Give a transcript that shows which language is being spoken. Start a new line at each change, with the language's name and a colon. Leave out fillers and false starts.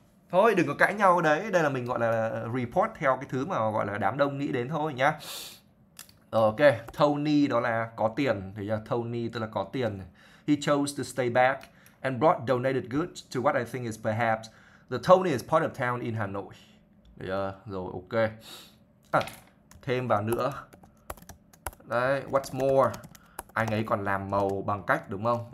Vietnamese: Thôi đừng có cãi nhau đấy, đây là mình gọi là report theo cái thứ mà gọi là đám đông nghĩ đến thôi nhá. Ok, Tony đó là có tiền, thì là Tony tức là có tiền.
English: He chose to stay back and brought donated goods to what I think is perhaps the Tony is part of town in Hà Nội.
Vietnamese: Rồi ok. À, thêm vào nữa. Đấy,
English: what's more,
Vietnamese: anh ấy còn làm màu bằng cách đúng không?